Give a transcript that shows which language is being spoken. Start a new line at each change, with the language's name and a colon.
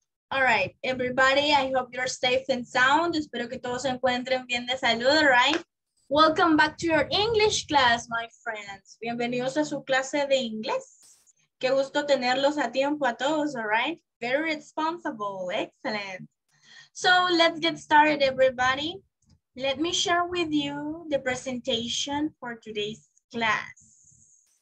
English: All right, everybody, I hope you're safe and sound.
Spanish: Espero que todos se encuentren bien de salud, right?
English: Welcome back to your English class, my friends.
Spanish: Bienvenidos a su clase de inglés. Qué gusto tenerlos a tiempo a todos, all right?
English: Very responsible, excellent. So let's get started, everybody. Let me share with you the presentation for today's class.